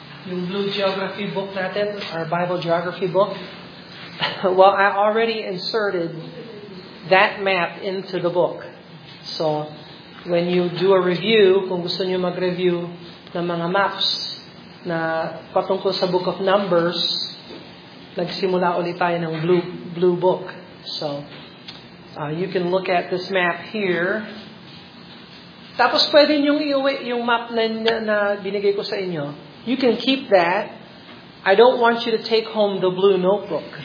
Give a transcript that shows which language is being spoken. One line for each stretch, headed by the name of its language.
Filipino: Yung blue geography book natin,
English: our Bible geography book. Well, I already inserted that map into the book. So, when you do a review,
Filipino: kung gusto niyo mag-review ng mga maps na patungkol sa Book of Numbers, nagsimula ulit tayo ng blue book.
English: So, you can look at this map here.
Filipino: Tapos pwede niyong iuwi yung map na binigay ko sa inyo.
English: You can keep that. I don't want you to take home the blue notebook.